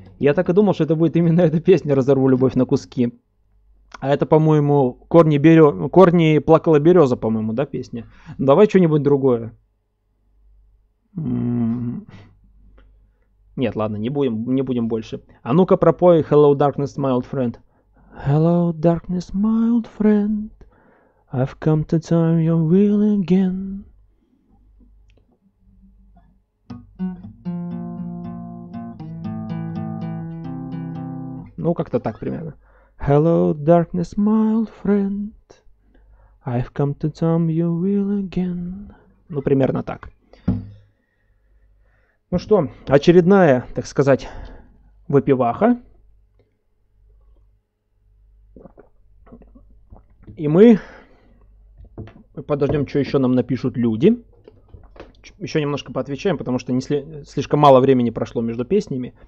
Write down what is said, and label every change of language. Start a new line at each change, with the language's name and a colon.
Russian: Я так и думал, что это будет именно эта песня «Разорву любовь на куски». А это, по-моему, «Корни плакала береза», по-моему, да, песня? Давай что-нибудь другое. Нет, ладно, не будем больше. А ну-ка пропой
English: «Hello, darkness, my old friend». «Hello, darkness, my old friend, I've come to turn your will again».
Russian: Ну, как-то так примерно.
English: Hello, darkness, my old friend, I've come to tell you will again.
Russian: Ну, примерно так. Ну что, очередная, так сказать, выпиваха. И мы подождем, что еще нам напишут люди. Еще немножко поотвечаем, потому что слишком мало времени прошло между песнями.